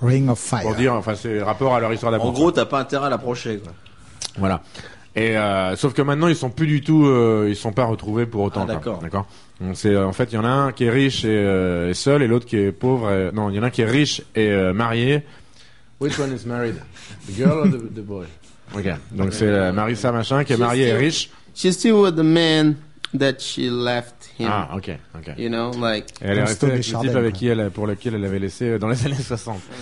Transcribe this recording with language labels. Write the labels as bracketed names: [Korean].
[English] Ring of Fire. [French] Pour dire, enfin, c'est rapport à leur histoire d'amour. En gros, t'as pas intérêt à l'approcher, quoi. Voilà. Et sauf que maintenant, ils sont plus du tout. Ils sont pas retrouvés pour autant. Ah, d'accord. D'accord. Donc en fait, il y en a un qui est riche et seul, et l'autre qui est pauvre. Il y en a un qui est riche et marié. [English] Which one is married, the girl or the boy? [French] Ok. Donc c'est Marisa machin qui est mariée et riche. [English] She's still with the man, that she left him. [French] Ah, ok, ok. [English] You know, like. [French] Et elle est restée avec le type avec qui elle, pour lequel elle l'avait laissé dans les années 60.